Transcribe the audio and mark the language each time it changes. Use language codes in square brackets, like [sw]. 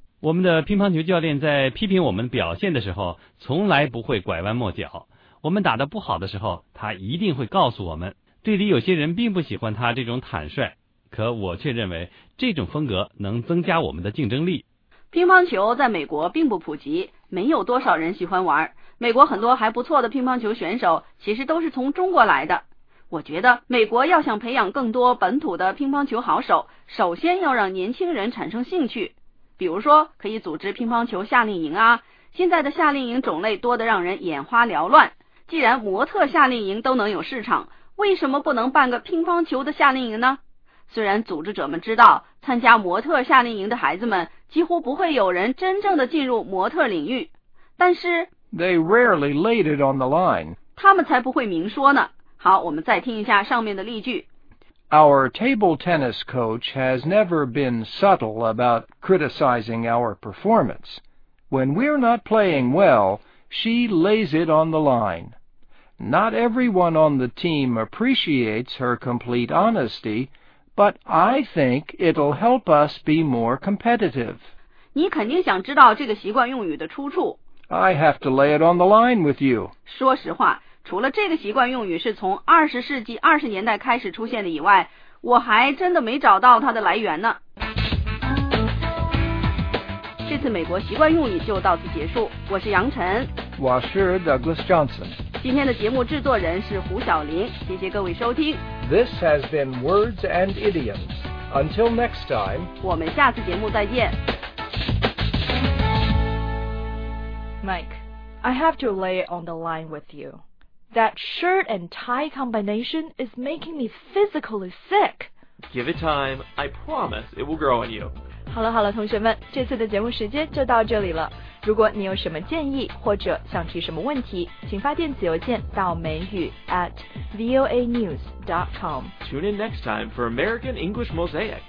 [zh] 我们的乒乓球教练在批评我们表现的时候，从来不会拐弯抹角。我们打得不好的时候，他一定会告诉我们。队里有些人并不喜欢他这种坦率，可我却认为这种风格能增加我们的竞争力。乒乓球在美国并不普及，没有多少人喜欢玩。美国很多还不错的乒乓球选手其实都是从中国来的。我觉得美国要想培养更多本土的乒乓球好手，首先要让年轻人产生兴趣。比如说可以组织乒乓球夏令营啊，现在的夏令营种类多得让人眼花缭乱。既然模特夏令营都能有市场，为什么不能办个乒乓球的夏令营呢？虽然组织者们知道参加模特夏令营的孩子们几乎不会有人真正的进入模特领域，但是 [en] They rarely laid it on the line. [zh] 他们才不会明说呢。好，我们再听一下上面的例句。 [en] Our table tennis coach has never been subtle about criticizing our performance. When we're not playing well, she lays it on the line. Not everyone on the team appreciates her complete honesty, but I think it'll help us be more competitive. [zh] 你肯定想知道这个习惯用语的出处。 [en] I have to lay it on the line with you. [zh] 说实话，除了这个习惯用语是从20世纪20年代开始出现的以外，我还真的没找到它的来源呢。这次美国习惯用语就到此结束，我是杨晨。我是 Douglas Johnson。今天的节目制作人是胡晓玲，谢谢各位收听。 [en] This has been Words and Idioms. Until next time. [zh] 我们下次节目再见。 [en] Mike, I have to lay it on the line with you. That shirt and tie combination is making me physically sick. Give it time. I promise it will grow on you. [zh] 好了好了，同学们，这次的节目时间就到这里了。如果你有什么建议或者想提什么问题，请发电子邮件到美语 @voanews.com. [en] Tune in next time for American English Mosaic.